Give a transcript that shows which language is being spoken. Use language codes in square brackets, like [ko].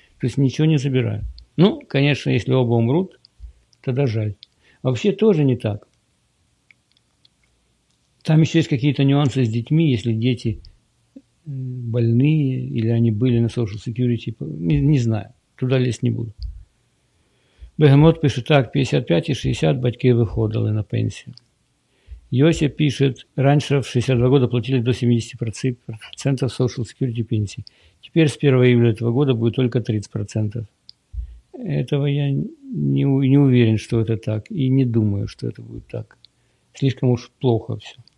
[ru] То есть ничего не забирают. Ну, конечно, если оба умрут, тогда жаль. Вообще тоже не так. Там еще есть какие-то нюансы с детьми, если дети больные или они были на Social Security, не знаю, туда лезть не буду. [uk] Бегемот [ru] пишет: [uk] так, 55 и 60 батьки виходили на пенсію. [ru] Йося пишет: раньше в 62 года платили до 70% Social Security пенсии. Теперь с 1 июля этого года будет только 30%. Этого я не уверен, что это так, и не думаю, что это будет так. Слишком уж плохо все.